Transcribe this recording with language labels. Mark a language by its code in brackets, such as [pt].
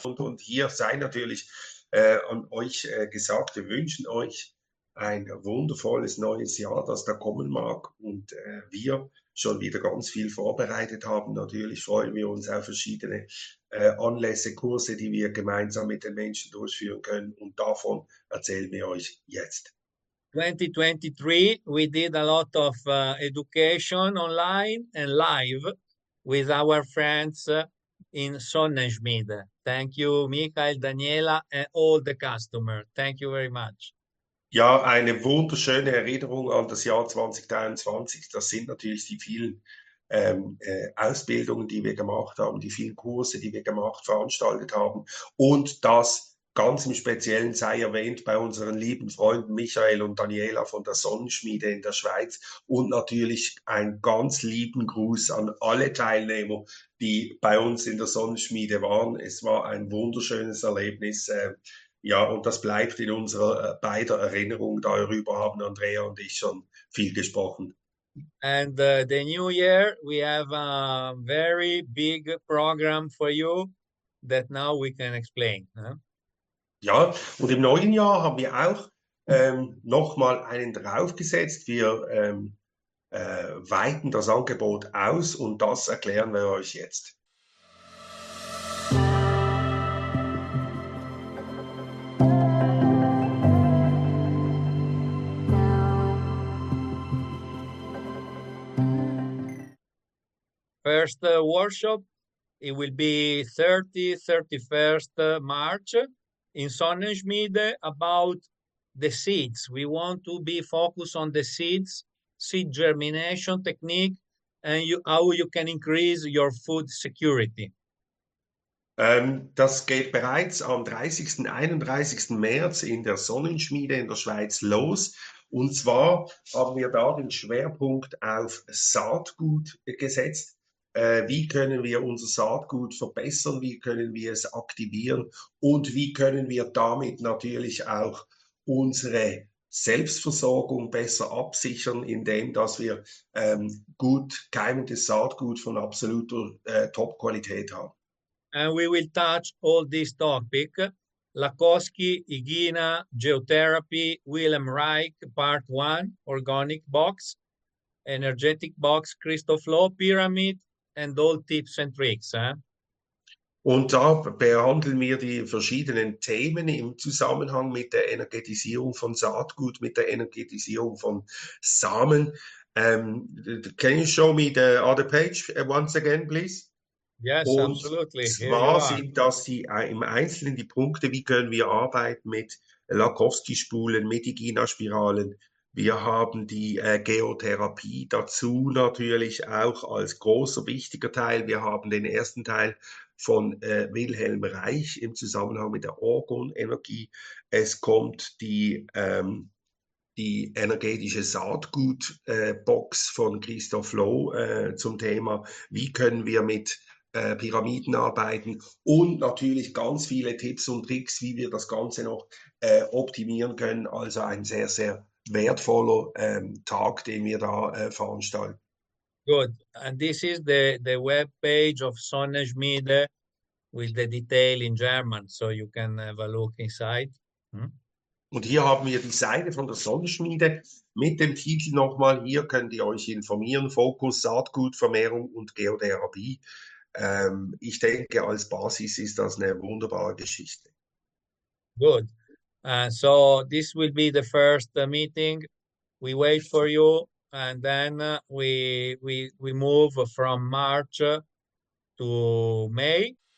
[de] Und hier sei natürlich und euch gesagt, wir wünschen euch ein wundervolles neues Jahr, das da kommen mag. Und wir schon wieder ganz viel vorbereitet haben. Natürlich freuen wir uns auf verschiedene Anlässe, Kurse, die wir gemeinsam mit den Menschen durchführen können. Und davon erzählen wir euch jetzt. [en] 2023, we did a lot of education online and live with our friends in Sonnenschmiede. Thank you, Michael, Daniela, and all the customers. Thank you very much. [de] Ja, eine wunderschöne Erinnerung an das Jahr 2023. Das sind natürlich die vielen Ausbildungen, die wir gemacht haben, die vielen Kurse, die wir gemacht, veranstaltet haben. Und das ganz im Speziellen sei erwähnt bei unseren lieben Freunden Michael und Daniela von der Sonnenschmiede in der Schweiz. Und natürlich einen ganz lieben Gruß an alle Teilnehmer, die bei uns in der Sonnenschmiede waren. Es war ein wunderschönes Erlebnis. Ja, und das bleibt in unserer beider Erinnerung. Darüber haben Andrea und ich schon viel gesprochen. [en] And the new year, we have a very big program for you that now we can explain. [de] Ja, und im neuen Jahr haben wir auch nochmal einen draufgesetzt. Wir weiten das Angebot aus und das erklären wir euch jetzt. [en] First workshop, it will be 31st March in Sonnenschmiede about the seeds. We want to be focused on the seeds, seed germination technique, and how you can increase your food security. [de] Das geht bereits am 30. 31. März in der Sonnenschmiede in der Schweiz los. Und zwar haben wir da den Schwerpunkt auf Saatgut gesetzt. Wie können wir unser Saatgut verbessern? Wie können wir es aktivieren? Und wie können wir damit natürlich auch unsere Selbstversorgung besser absichern, indem dass wir gut keimendes Saatgut von absoluter Top-Qualität haben? [en] And we will touch all these topics: Lakoski, Igina, Geotherapy, Wilhelm Reich, Part One, Organic Box, Energetic Box, Crystal Flow Pyramid, and all tips and tricks. [de] Und da behandeln wir die verschiedenen Themen im Zusammenhang mit der Energetisierung von Saatgut, mit der Energetisierung von Samen. [en] Can you show me the other page once again, please? Yes, [de] Und [en] absolutely. Here you [de] zwar [en] are. [de] sind das im Einzelnen die Punkte, wie können wir arbeiten mit Lakoski-Spulen, mit Igina-Spiralen. Wir haben die Geotherapie dazu natürlich auch als großer, wichtiger Teil. Wir haben den ersten Teil von Wilhelm Reich im Zusammenhang mit der Orgonenergie. Es kommt die energetische Saatgutbox von Christoph Loh zum Thema, wie können wir mit Pyramiden arbeiten und natürlich ganz viele Tipps und Tricks, wie wir das Ganze noch optimieren können. Also ein sehr, sehr wertvoller Tag, den wir da veranstalten. [en] Good. And this is the web page of Sonnenschmiede with the detail in German, so you can have a look inside. [de] Und hier haben wir die Seite von der Sonnenschmiede mit dem Titel nochmal. Hier könnt ihr euch informieren. Fokus Saatgut, Vermehrung und Geotherapie. Ich denke, als Basis ist das eine wunderbare Geschichte. [en] Good. So this will be the first meeting. We wait for you. And then we move from March to May.